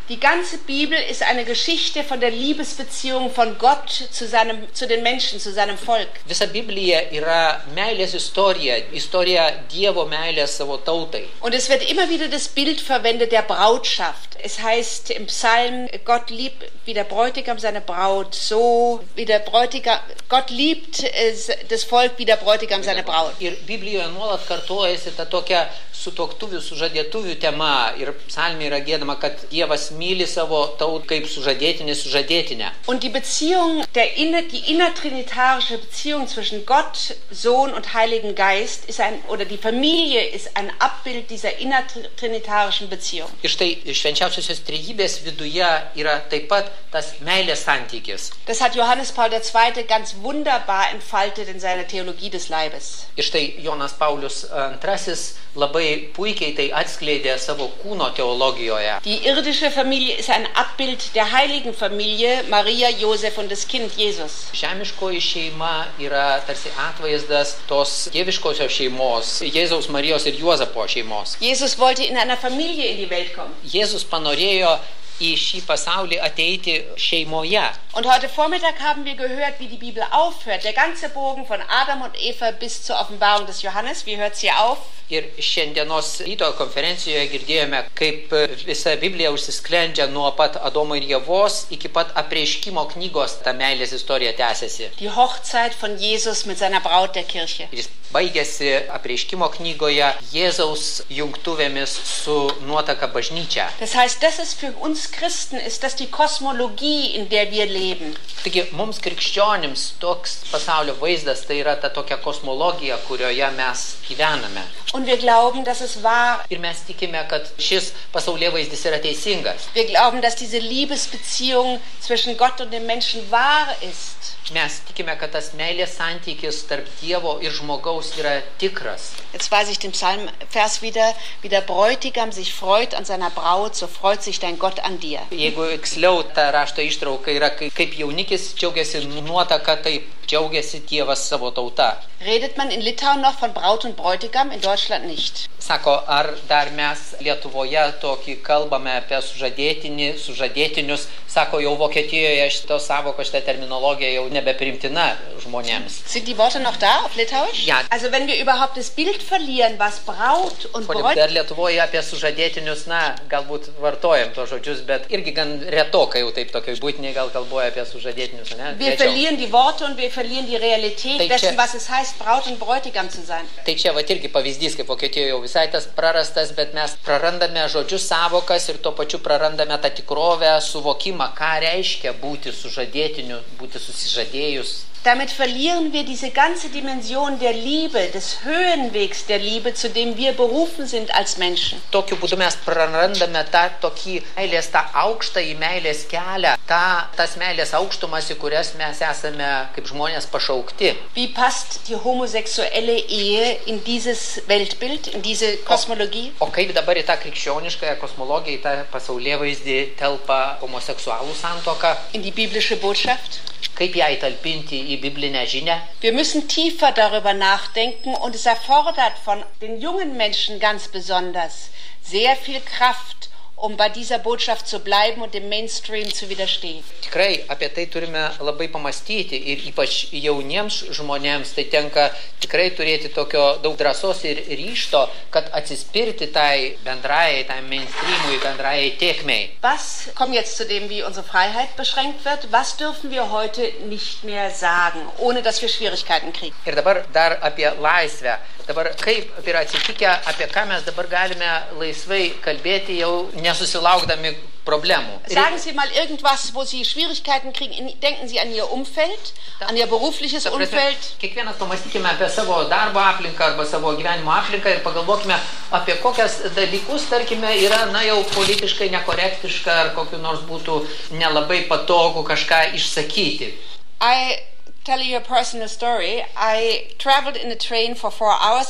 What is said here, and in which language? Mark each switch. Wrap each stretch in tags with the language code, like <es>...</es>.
<de>Die ganze Bibel ist eine Geschichte von der Liebesbeziehung von Gott zu den Menschen, zu seinem Volk.</de> <lt>Visa Biblija yra meilės istorija, istorija Dievo meilės savo tautai.</lt> <de>Und es wird immer wieder das Bild verwendet der Brautschaft. Es heißt im Psalm, Gott liebt wie der Bräutigam seine Braut, so wie der Bräutigam, Gott liebt das Volk wie der Bräutigam seine Braut.</de> <lt>Ir Biblijoje nuolat kartuojasi ta tokia sutuoktuvių, sužadėtuvių tema ir psalmė yra gėdama, kad Dievas myli savo tautą kaip sužadėtinį, sužadėtinę.</lt> <de>Und die Beziehung, die innertrinitarische Beziehung zwischen Gott, Sohn und Heiligen Geist ist ein, oder die Familie ist ein Abbild dieser innertrinitarischen Beziehung.</de> <lt>Ir štai švenčiausiosios trejybės viduje yra taip pat tas meilės santykis.</lt> <de>Das hat Johannes Paul II. Ganz wunderbar entfaltet in seiner Theologie des Leibes.</de> <lt>Ir štai Jonas Paulius II. labai puikiai tai atskleidė savo kūno teologijoje.</lt> <de>Die irdische Familie ist ein Abbild der heiligen Familie Maria, Josef und des Kind Jesus.</de> <lt>Žemiškoji šeima yra tarsi atvaizdas tos dieviškosios šeimos, Jėzaus, Marijos ir Juozapo šeimos.</lt> <de>Jesus wollte in einer Familie in die Welt kommen.</de> <lt>Jėzus panorėjo į šį pasaulį ateiti šeimoje.</lt> <de>Und heute Vormittag haben wir gehört, wie die Bibel aufhört, der ganze Bogen von Adam und Eva bis zur Offenbarung des Johannes, wie hört sie auf?</de> <lt>Ir šiandienos ryto konferencijoje girdėjome, kaip visa Biblija užsisklendžia nuo pat Adomo ir Jevos iki pat apreiškimo knygos ta meilės istorija tęsiasi.</lt> <de>Die Hochzeit von Jesus mit seiner Braut der Kirche.</de> <lt>Jis baigėsi apreiškimo knygoje Jėzaus jungtuvėmis su nuotaka bažnyčia.</lt> <de>Das heißt, das ist für uns Christen ist das die Kosmologie, in der wir leben.</de> <lt>Taigi, mums krikščionims toks pasaulio vaizdas tai yra ta tokia kosmologija, kurioje mes gyvename.</lt> <de>Und wir glauben, dass es wahr.</de> <lt>Ir mes tikime, kad šis pasaulėvaizdis yra teisingas.</lt> <de>Wir glauben, dass diese Liebesbeziehung zwischen Gott und dem Menschen wahr ist.</de> <lt>Mes tikime, kad tas meilės santykis tarp Dievo ir žmogaus yra tikras.</lt> <de>Jetzt weiß ich den Psalmvers wieder, wie der Bräutigam sich freut an seiner Braut, so freut sich dein Gott an dir.</de> <lt>Jeigu iksliau ta rašto ištrauka yra, kaip jaunikis džiaugiasi nuotaka, taip džiaugiasi Dievas savo tauta.</lt> <de>Redet man in Litauen noch von Braut und Bräutigam, in Deutschland nicht.</de> <lt>Sako, ar dar mes Lietuvoje tokį kalbame apie sužadėtinį, sužadėtinius, sako, jau Vokietijoje šito savoko, šita terminologija jau nebeprimtina žmonėms.</lt> <de>Sind die Worte noch da, auf Litauisch? Ja. Also wenn wir überhaupt das Bild verlieren, was Braut und Bräutigam...</de> <lt>Dar Lietuvoje apie sužadėtinius, na, galbūt vartojam tos žodžius, bet irgi gan retokai jau taip tokio, būtinai gal kalbuoja apie sužadėtinius, ne?</lt> <de>Wir verlieren die Worte und wir verlieren die Realität dessen, was es heißt, Braut und Bräutigam zu sein.</de> <lt>Tai čia, vat irgi pavyzdys, kaip Vokietijoje jau visai tas prarastas, bet mes prarandame žodžius savokas ir tuo pačiu prarandame tą tikrovę, suvokimą, ką reiškia būti sužadėtiniu, būti susižadėjus.</lt> <de>Damit verlieren wir diese ganze Dimension der Liebe, des Höhenwegs der Liebe, zu dem wir berufen sind als Menschen.</de> <lt>Tokiu būdu mes prarandame tą tokį meilės, tą aukštąjį meilės kelią, tas meilės aukštumas, į kurias mes esame kaip žmonės pašaukti.</lt> <de>Wie passt die homosexuelle Ehe in dieses Weltbild, in diese Kosmologie?</de> <lt>O kaip dabar į tą krikščioniškąją kosmologiją, į tą pasaulėvaizdį telpa homoseksualų santoka?</lt> <de>In die biblische Botschaft?</de> <lt>Kaip ją įtalpinti į biblinę žinę?</lt> <de>Wir müssen tiefer darüber nachdenken und es erfordert von den jungen Menschen ganz besonders sehr viel Kraft, um bei dieser Botschaft zu bleiben und dem Mainstream zu widerstehen.</de> <lt>Tikrai apie tai turime labai pamastyti ir ypač jauniems žmonėms tai tenka tikrai turėti tokio daug drąsos ir ryšto, kad atsispirti tai bendrajai, tai mainstreamui, bendrajai tėkmei.</lt> <de>Was kommt jetzt zu dem, wie unsere Freiheit beschränkt wird? Was dürfen wir heute nicht mehr sagen, ohne dass wir Schwierigkeiten kriegen?</de> <lt>Ir dabar dar apie laisvę. Dabar kaip yra atsitikę, apie ką mes dabar galime laisvai kalbėti jau nesusilaukdami problemų.</lt> <de>Sagen Sie mal irgendwas, wo Sie Schwierigkeiten kriegen, denken Sie an Ihr Umfeld, an Ihr berufliches Umfeld.</de> <lt>Kiekvienas pamastykime apie savo darbo aplinką arba savo gyvenimo aplinką ir pagalvokime apie kokias dalykus, tarkime, yra, na, jau politiškai nekorektiška ar kokiu nors būtų nelabai patogu kažką išsakyti.</lt> <en>Tell you a personal story. I traveled in a train for 4 hours.</en>